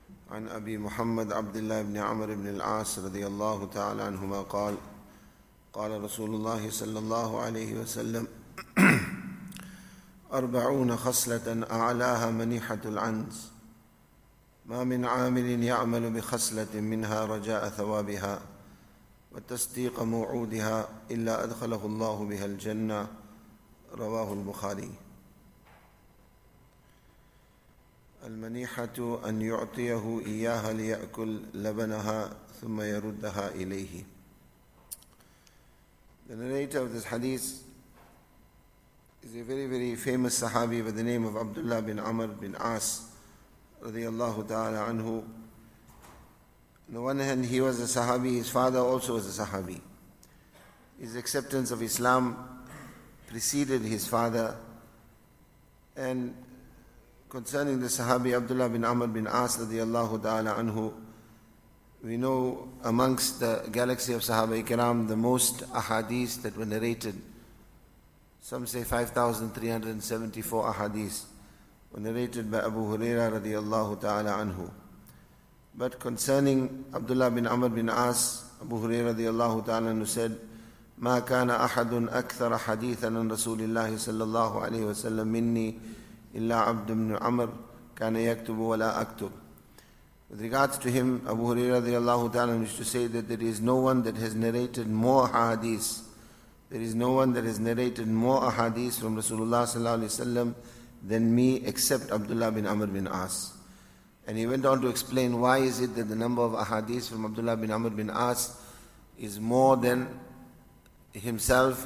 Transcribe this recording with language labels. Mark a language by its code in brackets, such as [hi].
[ar] عن أبي محمد عبد الله بن عمرو بن العاص رضي الله تعالى عنهما قال: قال رسول الله صلى الله عليه وسلم: 40 خصلة أعلاها منيحة العنز، ما من عامل يعمل بخصلة منها رجاء ثوابها وتصديق موعودها إلا أدخله الله بها الجنة. رواه البخاري. المنيحة أن يعطيه إياها ليأكل لبنها ثم يردها إليه. [en] The narrator of this hadith is a very, very famous Sahabi by the name of Abdullah bin Amr bin As [ar] رضي الله تعالى عنه. [en] On the one hand, he was a Sahabi, his father also was a Sahabi. His acceptance of Islam preceded his father. And concerning the Sahabi Abdullah bin Amr bin As [ar] radiallahu ta'ala anhu, [en] we know amongst the galaxy of Sahaba Ikram the most ahadith that were narrated. Some say 5,374 ahadith were narrated by Abu Huraira [ar] radiallahu ta'ala anhu. [en] But concerning Abdullah bin Amr bin As, Abu Huraira radiallahu ta'ala anhu said: [ar] ما كان أحد أكثر حديثاً عن رسول الله صلى الله عليه وسلم مني إلا عبد بن عمر كان يكتب ولا أكتب. [en] With regards to him, Abu Huraira [ar] رضي الله تعالى عنه [en] used to say that there is no one that has narrated more hadith. There is no one that has narrated more hadith from Rasulullah [ar] صلى الله عليه وسلم [en] than me, except Abdullah bin Amr bin As. And he went on to explain why is it that the number of hadith from Abdullah bin Amr bin As is more than himself.